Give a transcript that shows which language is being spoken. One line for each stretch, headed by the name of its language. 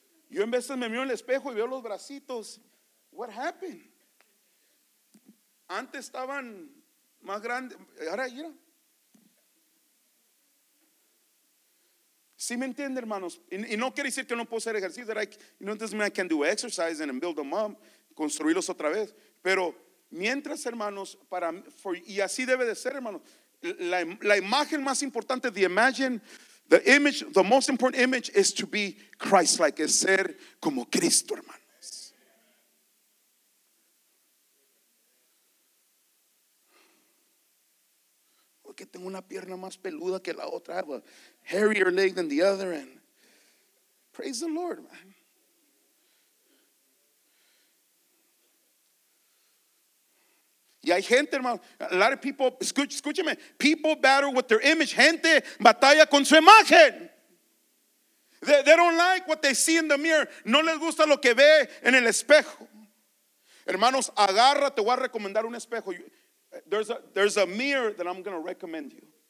Spanish: Yo en veces me miro en el espejo y veo los bracitos.
English: What happened?
Spanish: Antes estaban más grandes. Ahora, mira. ¿Sí me entiende, hermanos? Y no quiere decir que no puedo hacer ejercicio.
English: That I, no doesn't mean I can do exercise and build them up,
Spanish: construirlos otra vez. Pero mientras, hermanos, para for, y así debe de ser, hermanos. La imagen más importante,
English: the imagine. The image, the most important image is to be Christ-like,
Spanish: es ser como Cristo, hermanos. Porque tengo una pierna más peluda que la otra.
English: I have a hairier leg than the other. And praise the Lord, man.
Spanish: Y hay gente, hermano,
English: a lot of people,
Spanish: escúcheme,
English: people battle with their image,
Spanish: gente batalla con su imagen.
English: They don't like what they see in the mirror,
Spanish: no les gusta lo que ve en el espejo. Hermanos, agarra, te voy a recomendar un espejo.
English: There's a mirror that I'm going to recommend you.